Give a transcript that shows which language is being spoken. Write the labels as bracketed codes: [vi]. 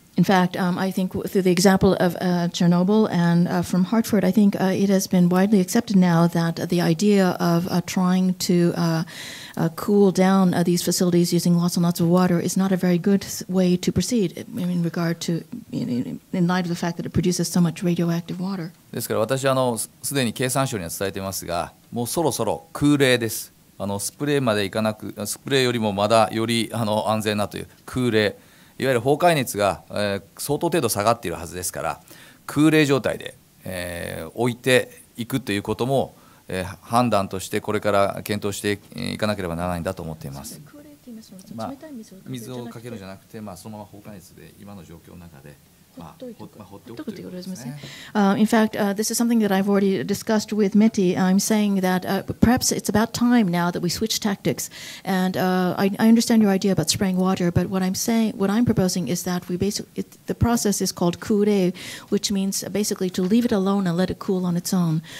[en] In fact, I think through the example of Chernobyl and from Hartford, I think it has been widely accepted now that the idea of trying to cool down these facilities using lots and lots of water is not a very good way to proceed in regard to, in light of the fact that it produces so much radioactive water. [ja] ですから私はすでに経産省には伝えていますが、もうそろそろ空冷です。スプレーまでいかなく、スプレーよりもまだより安全なという空冷。いわゆる崩壊熱が、相当程度下がっているはずですから、空冷状態で、置いていくということも、判断としてこれから検討していかなければならないんだと思っています。空冷といいますと、冷たい水をかけるじゃなくて、水をかけるじゃなくて、そのまま崩壊熱で今の状況の中で。 [en] In fact, this is something that I've already discussed with Mitty. I'm saying that perhaps it's about time now that we switch tactics. And I understand your idea about spraying water, but what I'm proposing is that the process is called kure, which means basically to leave it alone and let it cool on its own.